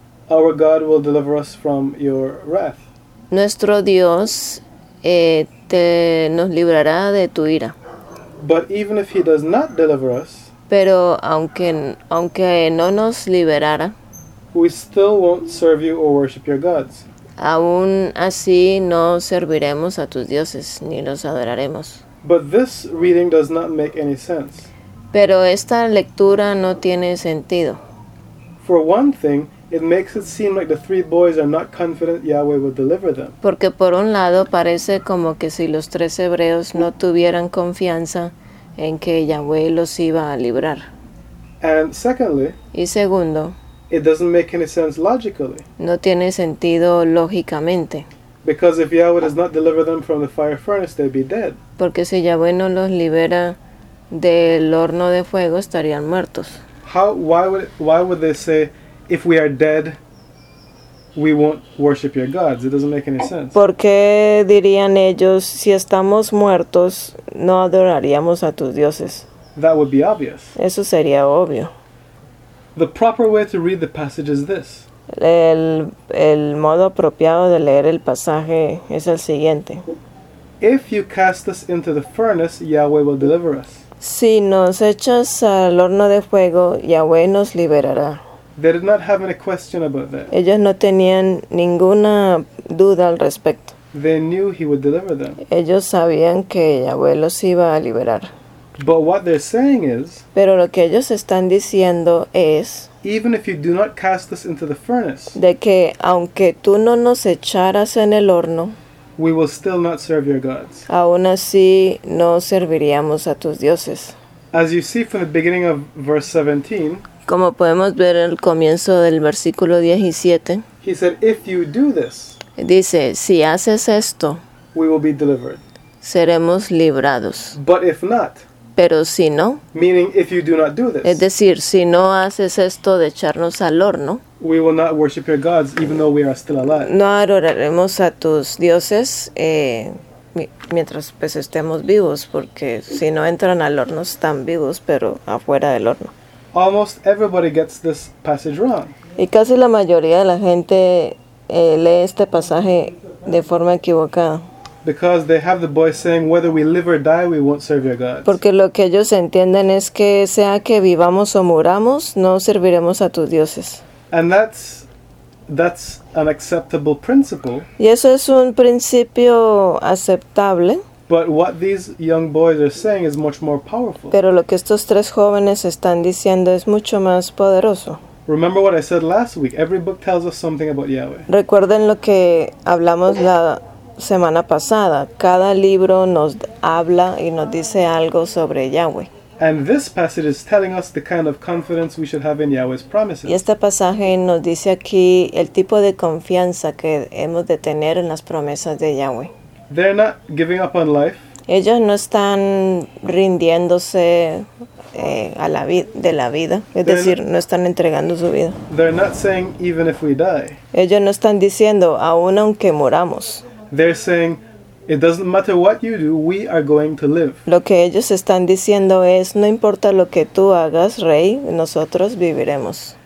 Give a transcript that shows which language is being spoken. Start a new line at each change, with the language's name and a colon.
English: our God will deliver us from your wrath.
Spanish: Nuestro Dios nos librará de tu ira.
English: But even if he does not deliver us,
Spanish: pero aunque no nos liberara,
English: we still won't serve you or worship your gods.
Spanish: Aún así no serviremos a tus dioses ni los adoraremos.
English: But this reading does not make any sense.
Spanish: Pero esta lectura no tiene sentido.
English: For one thing, it makes it seem like the three boys are not confident Yahweh will deliver them.
Spanish: Porque por un lado parece como que si los tres hebreos no tuvieran confianza en que Yahweh los iba a librar.
English: And secondly,
Spanish: y segundo,
English: it doesn't make any sense logically.
Spanish: No tiene sentido lógicamente.
English: Because if Yahweh does not deliver them from the fire furnace, they'd be dead.
Spanish: Porque si Yahweh no los libera del horno de fuego, estarían muertos.
English: Why would they say, if we are dead, we won't worship your gods? It doesn't make any sense.
Spanish: ¿Por qué dirían ellos, si estamos muertos, no adoraríamos a tus dioses?
English: That would be obvious.
Spanish: Eso sería obvio.
English: The proper way to read the passage is this.
Spanish: El modo apropiado de leer el pasaje es el siguiente.
English: If you cast us into the furnace, Yahweh will deliver us.
Spanish: Si nos echas al horno de fuego, Yahweh nos liberará.
English: They did not have any question about that.
Spanish: Ellos no tenían ninguna duda al respecto.
English: They knew he would deliver them.
Spanish: Ellos sabían que Yahweh los iba a liberar.
English: But what they're saying is,
Spanish: pero lo que ellos están diciendo es,
English: even if you do not cast us into the furnace,
Spanish: de que aunque tú no nos echaras en el horno,
English: we will still not serve your gods.
Spanish: Aún así, no serviríamos a tus dioses.
English: As you see from the beginning of verse 17,
Spanish: como podemos ver en el comienzo del versículo 17,
English: he said, if you do this,
Spanish: dice, si haces esto,
English: we will be delivered.
Spanish: Seremos librados.
English: But if not,
Spanish: pero si no,
English: meaning if you do not do this,
Spanish: es decir, si no haces esto de echarnos al horno,
English: we will not worship your gods even though we are still alive.
Spanish: No adoraremos a tus dioses mientras pues estemos vivos, porque si no entran al horno están vivos, pero afuera del horno.
English: Almost everybody gets this passage wrong.
Spanish: Y casi la mayoría de la gente lee este pasaje de forma equivocada.
English: Because they have the boy saying, whether we live or die, we won't serve your gods.
Spanish: Porque lo que ellos entienden es que sea que vivamos o muramos, no serviremos a tus dioses.
English: And that's an acceptable principle.
Spanish: Y eso es un principio aceptable.
English: But what these young boys are saying is much more powerful.
Spanish: Pero lo que estos tres jóvenes están diciendo es mucho más poderoso.
English: Remember what I said last week. Every book tells us something about Yahweh.
Spanish: Recuerden lo que hablamos la semana pasada. Cada libro nos habla y nos dice algo sobre Yahweh.
English: And this passage is telling us the kind of confidence we should have in Yahweh's promises.
Spanish: Y este pasaje nos dice aquí el tipo de confianza que hemos de tener en las promesas de Yahweh.
English: They're not giving up on life.
Spanish: Ellos no están rindiéndose a la vida. No están entregando su vida.
English: They're not saying even if we die.
Spanish: Ellos no están diciendo aun aunque muramos.
English: They're saying, it doesn't matter what you do, we are going to live.
Spanish: Lo que ellos están diciendo es, no importa lo que tú hagas, rey, nosotros viviremos.